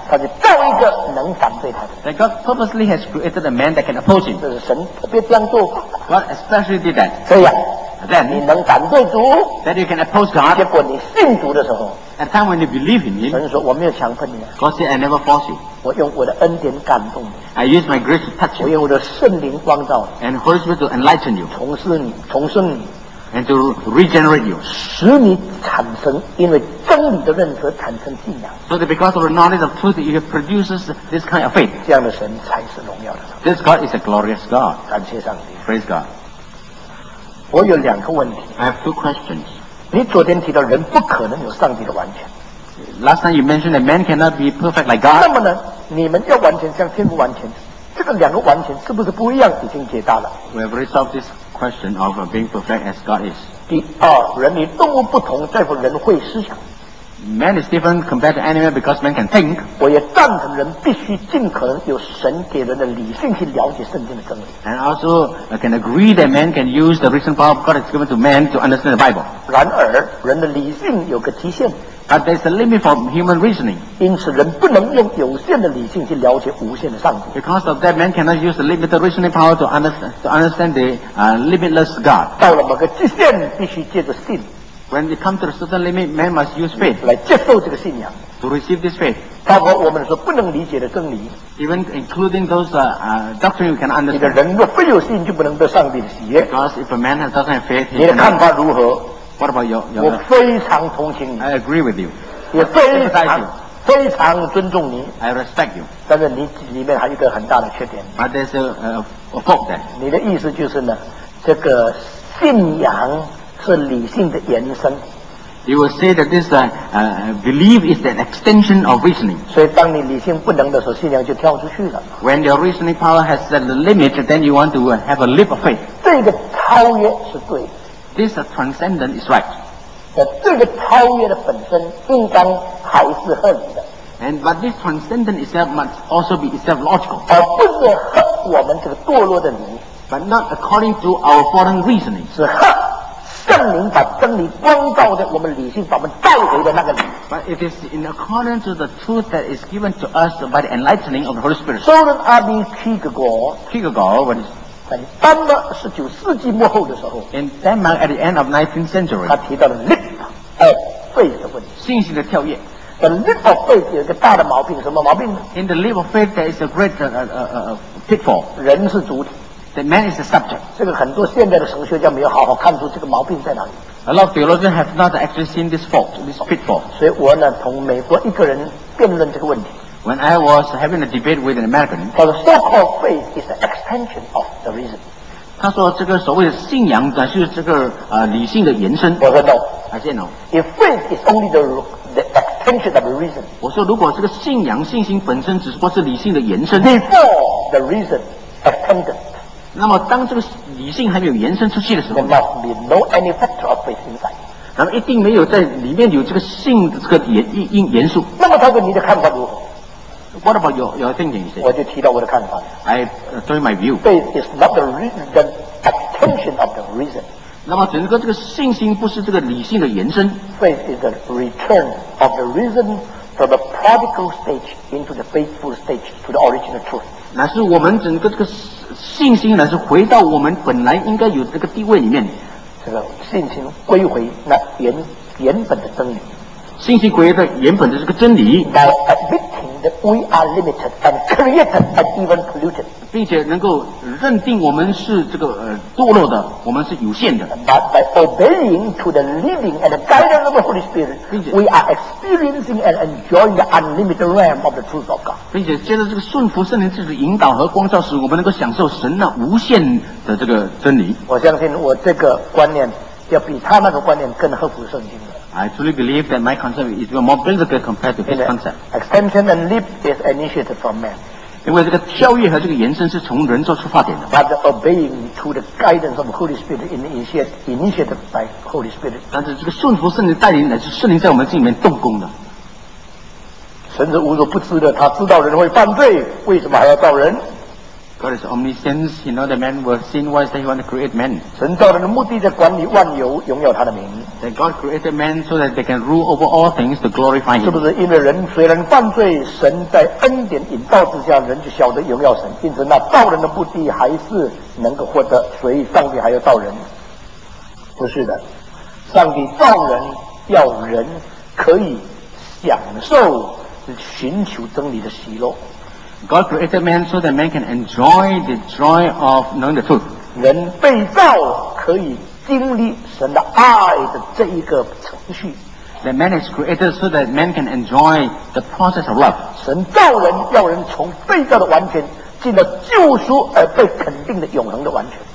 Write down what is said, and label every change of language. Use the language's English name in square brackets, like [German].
[Chinese] 他就造一个能反对他的。 [English] That God purposely has created a man that can oppose him. [Chinese] 这是神特别这样做。 [English] God especially did that. [Chinese] 所以啊 [English] then, [Chinese] 你能反对主。 [English] That you can oppose God. [Chinese] 结果你信主的时候。 [English] At time when you believe in him. [Chinese] 神说我没有强迫你啊。 [English] God said I never force you. [Chinese] 我用我的恩典感动你。 [English] I use my grace to touch you. [Chinese] 我用我的圣灵光照你。 [English] And Holy Spirit to enlighten you. [Chinese] 重生你，重生你。 [English] And to regenerate you. [Chinese] 使你产生因为真理的认识产生信仰。 [English] So that because of the knowledge of truth, it produces this kind of faith. [Chinese] 这样的神才是荣耀的神。 [English] This God is a glorious God. [Chinese] 感谢上帝。 [English] Praise God. [Chinese] 我有两个问题。 [English] I have two questions. [Chinese] 你昨天提到人不可能有上帝的完全。 [English] Last time you mentioned that man cannot be perfect like God. [Chinese] 那么呢，你们要完全像天父完全，这个两个完全是不是不一样？已经解答了。 [English] We have resolved this question of being perfect as God is. [Chinese] 第二，人与动物不同，在乎人会思想。 [English] Man is different compared to animal because man can think. [Chinese] 我也赞成人必须尽可能有神给人的理性去了解圣经的真理。 [English] And also, I can agree that man can use the reason power of God that's given to man to understand the Bible. [Chinese] 然而，人的理性有个极限。 [English] But there's a limit for human reasoning. [Chinese] 因此，人不能用有限的理性去了解无限的上帝。 [English] Because of that, man cannot use the limited reasoning power to understand the limitless God. [Chinese] 到了某个极限，必须借着信。 [English] When it comes to a certain limit, man must use faith [Chinese] 来接受这个信仰。 [English] To receive this faith, [Chinese] 包括我们所不能理解的真理。 [English] Even including those doctrine we cannot understand. [Chinese] 你的人若非有信，就不能得上帝的喜悦。 [English] Because if a man has doesn't have faith, [Chinese] 你的看法如何？ [English] What about your [Chinese] 我非常同情你。 [English] I agree with you. [Chinese] 也非常尊重你。 [English] I respect you. [Chinese] 但是你里面还有一个很大的缺点。 [English] But there's a fault there. [Chinese] 你的意思就是呢，这个信仰是理性的延伸。 [English] You will say that this belief is an extension of reasoning. [Chinese] 所以当你理性不能的时候，信仰就跳出去了。 [English] When your reasoning power has set the limit, then you want to have a leap of faith. [Chinese] 这个超越是对。 [English] This transcendent is right. [Chinese] 这个超越的本身应当还是合理的。 [English] And but this transcendent itself must also be itself logical. [Chinese] 而不是合我们这个堕落的理。 [English] But not according to our fallen reasoning. [Chinese] 是合圣灵把真理光照在我们理性把我们带回的那个理。 [English] But it is in accordance to the truth that is given to us by the enlightening of the Holy Spirit. [Chinese] 首先阿宾提个过。提个过，我。在丹麦十九世纪末后的时候 [English] ，In Denmark at the end of 19th century， [Chinese] 他提到了 leap of faith 的问题，信心的跳跃。 The leap of faith 有一个大的毛病，什么毛病呢 [English] ？In the leap of faith there is a great pitfall。 [Chinese] 人是主体 [English] ，The man is the subject。 [Chinese] 这个很多现在的神学家没有好好看出这个毛病在哪里。 [English] A lot of theologians have not actually seen this fault, this pitfall。 [Chinese] 所以我呢，同美国一个人辩论这个问题。 [English] When I was having a debate with an American, the so-called faith is an extension of the reason. [Chinese] 他说这个所谓的信仰呢是这个理性的延伸。我说 [English] no. I said no. If faith is only the extension of the reason, [Chinese] 我说如果这个信仰信心本身只不过是理性的延伸 [English] ，before the reason extended, [Chinese] 那么当这个理性还没有延伸出去的时候 [English] ，there must be no any factor of faith inside. [Chinese] 那么一定没有在里面有这个信的这个元素。那么他对你的看法如何？ [English] What about your thinking? Say? [Chinese] 我就提到我的看法。 [English] I told my view. Faith is not the reason, the extension of the reason. [Chinese] 那么整个这个信心不是这个理性的延伸。 [English] Faith is the return of the reason from the prodigal stage into the faithful stage to the original truth. [Chinese] 那是我们整个这个信心呢，是回到我们本来应该有这个地位里面。这个信心归回那原本的真理。信心归回到原本的这个真理。 [English] By admitting that we are limited and created and even polluted. [Chinese] 并且能够认定我们是这个堕落的，我们是有限的。 [English] But by obeying to the leading and the guidance of the Holy Spirit, we are experiencing and enjoying the unlimited realm of the truth of God. [Chinese] 并且借着这个顺服圣灵自己的引导和光照，使我们能够享受神那无限的这个真理。我相信我这个观念要比他那个观念更合乎圣经的。 [English] I truly believe that my concept is even more biblical compared to his concept. Extension and leap is initiated from man. [Chinese] 因为这个跳跃和这个延伸是从人做出发点的。 [English] But obeying to the guidance of Holy Spirit initiated by Holy Spirit. [Chinese] 但是这个顺服圣灵带领乃是圣灵在我们心里面动工的。神是无所不知的，他知道人会犯罪，为什么还要造人？ [English] God is omniscient. He knows that man will sin. Why is that he want to create man? [Chinese] 神造人的目的在管理万有，荣耀他的名。 [English] That God created man so that they can rule over all things to glorify him. [Chinese] 是不是因为人虽然犯罪，神在恩典引导之下，人就晓得荣耀神？因此，那造人的目的还是能够获得，所以上帝还要造人。不是的，上帝造人要人可以享受寻求真理的喜乐。 [English] God created man so that man can enjoy the joy of knowing the truth. [Chinese] 人被造可以经历神的爱的这一个程序。 [English] The man is created so that man can enjoy the process of love. [Chinese] 神造人要人从被造的完全进了救赎而被肯定的永恒的完全。